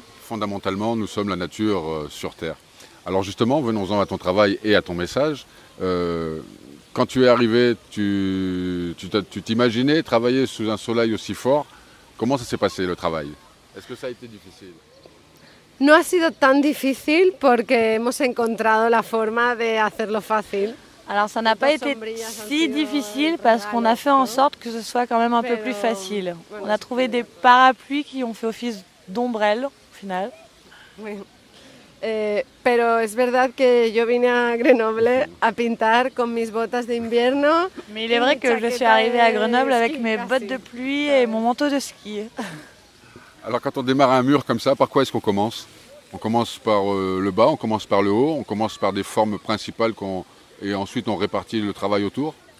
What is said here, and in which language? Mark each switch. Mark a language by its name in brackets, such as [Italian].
[French] Fondamentalement, nous sommes la nature sur Terre. Alors justement, venons-en à ton travail et à ton message. Quand tu es arrivé, tu t'imaginais travailler sous un soleil aussi fort. Comment ça s'est passé le travail? Est-ce que ça a été difficile? [Spanish] No ha sido tan difícil porque hemos encontrado la forma de hacerlo fácil. [French] Alors ça n'a pas été si difficile parce qu'on a fait en sorte que ce soit quand même un peu plus facile. On a trouvé des parapluies qui ont fait office d'ombrelles au final. Oui. [Spanish] Pero es verdad que yo vine a Grenoble a pintar con mis botas de invierno. [French] Mais il est vrai que je suis arrivée à Grenoble avec mes bottes de pluie et mon manteau de ski. Alors quand on démarre un mur comme ça, par quoi est-ce qu'on commence? On commence par le bas, on commence par le haut, on commence par des formes principales et ensuite on répartit le travail autour.